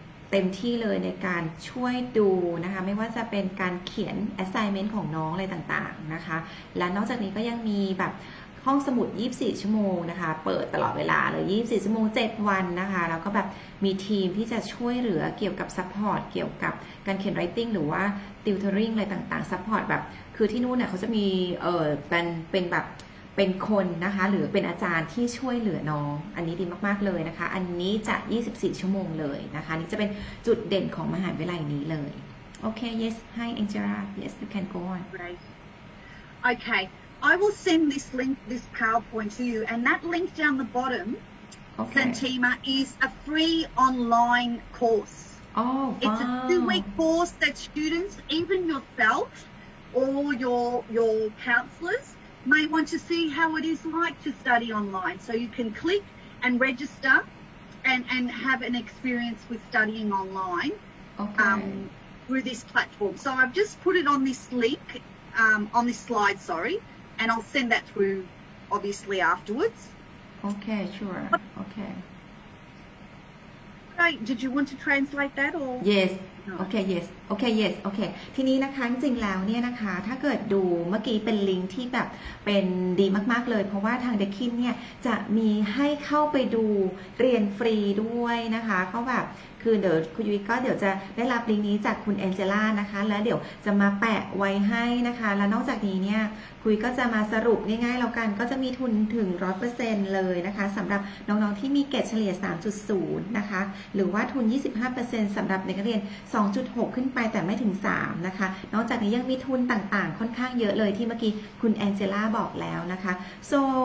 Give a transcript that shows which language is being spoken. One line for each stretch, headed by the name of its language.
Thai: เต็มที่เลยในการช่วยดูนะคะไม่ว่าจะเป็นการเขียน assignment ของน้องอะไรต่างๆนะคะและนอกจากนี้ก็ยังมีแบบห้องสมุด24ชั่วโมงนะคะเปิดตลอดเวลาเลย24ชั่วโมง7วันนะคะแล้วก็แบบมีทีมที่จะช่วยเหลือเกี่ยวกับซัพพอร์ตเกี่ยวกับการเขียนไรติ้งหรือว่าติวทอริ่งอะไรต่างๆซัพพอร์ตแบบคือที่นู่นเนี่ยเขาจะมี เป็นแบบเป็นคนนะคะหรือเป็นอาจารย์ที่ช่วยเหลือน้องอันนี้ดีมากๆเลยนะคะอันนี้จะ24ชั่วโมงเลยนะคะนี่จะเป็นจุดเด่นของมหาวิทยาลัยนี้เลยโอเค
English: yes hi Angela yes you can go on right okayI will send this link, this PowerPoint to you, and that link down the bottom, Santima, is a free online course. Oh, it's a 2-week course that students, even yourself or your counselors, may want to see how it is like to study online. So you can click and register and have an experience with studying online through this platform. So I've just put it on this link, on this slide, sorry. And I'll send that through, obviously, afterwards. Okay, sure. Okay. Right. Did you want to translate that or? Yes. No. Okay. Yes. Okay. Yes. Okay.
Thai: ทีนี้นะคะจริงๆแล้วเนี่ยนะคะถ้าเกิดดูเมื่อกี้เป็นลิงก์ที่แบบเป็นดีมากๆเลยเพราะว่าทางเด็กคินเนี่ยจะมีให้เข้าไปดู เรียนฟรีด้วยนะคะก็แบบคือเดี๋ยวคุณยุ้ยก็เดี๋ยวจะได้รับลิงก์นี้จากคุณแองเจล่านะคะแล้วเดี๋ยวจะมาแปะไว้ให้นะคะแล้วนอกจากนี้เนี่ยคุยก็จะมาสรุปง่ายๆแล้วกันก็จะมีทุนถึง 100% เลยนะคะสำหรับน้องๆที่มีเกรดเฉลี่ย 3.0 นะคะหรือว่าทุน 25% สำหรับนักเรียน 2.6 ขึ้นไปแต่ไม่ถึง 3 นะคะนอกจากนี้ยังมีทุนต่างๆค่อนข้างเยอะเลยที่เมื่อกี้คุณแองเจล่าบอกแล้วนะคะ so